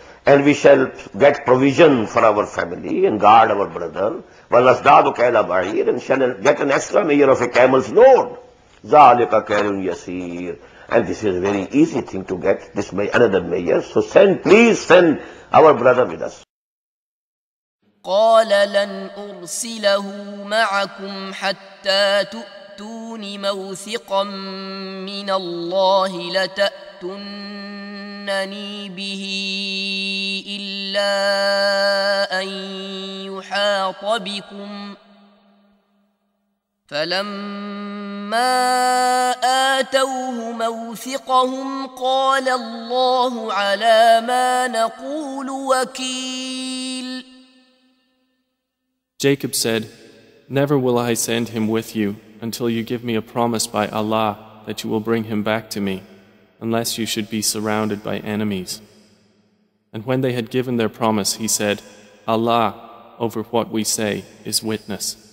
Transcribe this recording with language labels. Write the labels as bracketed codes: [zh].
[en] And we shall get provision for our family and guard our brother. [ar] وَنَسْدَادُ كَيْلَ بَعِيرِ. [en] And shall get an extra measure of a camel's load. [ar] ذَلِكَ كَيْلٌ يَسِيرٌ. [en] And this is a very easy thing to get, this may another measure. So send, please send our brother with us. [ar] قال لن أرسله معكم حتى تؤتون موثقا من الله لتأتنني به إلا أن يحاط بكم فلما آتوه موثقهم قال الله على ما نقول وكيل. [en] Jacob said, never will I send him with you until you give me a promise by Allah that you will bring him back to me, unless you should be surrounded by enemies. And when they had given their promise, he said, Allah, over what we say, is witness.